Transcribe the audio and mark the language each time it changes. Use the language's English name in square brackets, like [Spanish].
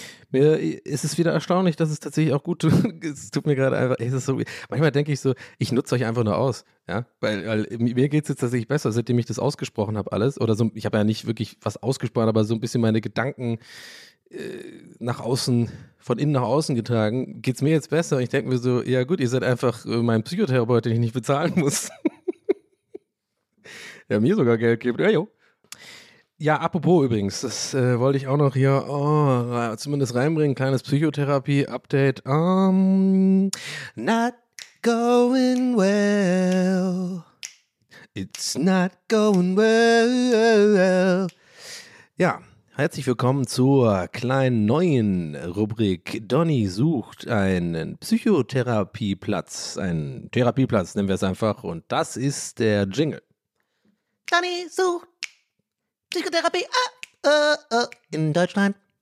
[German] Mir ist es wieder erstaunlich, dass es tatsächlich auch gut tut. Es tut mir gerade einfach, es ist so, manchmal denke ich so, ich nutze euch einfach nur aus, ja, weil mir geht es jetzt tatsächlich besser, seitdem ich das ausgesprochen habe alles, oder so, ich habe ja nicht wirklich was ausgesprochen, aber so ein bisschen meine Gedanken nach außen, von innen nach außen getragen, geht es mir jetzt besser und ich denke mir so, ja gut, ihr seid einfach mein Psychotherapeut, den ich nicht bezahlen muss. Der mir sogar Geld gibt, ja jo. Ja, apropos übrigens, das wollte ich auch noch hier zumindest reinbringen, kleines Psychotherapie-Update. [English] Not going well, it's not going well. [German] Ja, herzlich willkommen zur kleinen neuen Rubrik Donny sucht einen Psychotherapieplatz, einen Therapieplatz, nennen wir es einfach, und das ist der Jingle. Donny sucht Psychotherapie in Deutschland.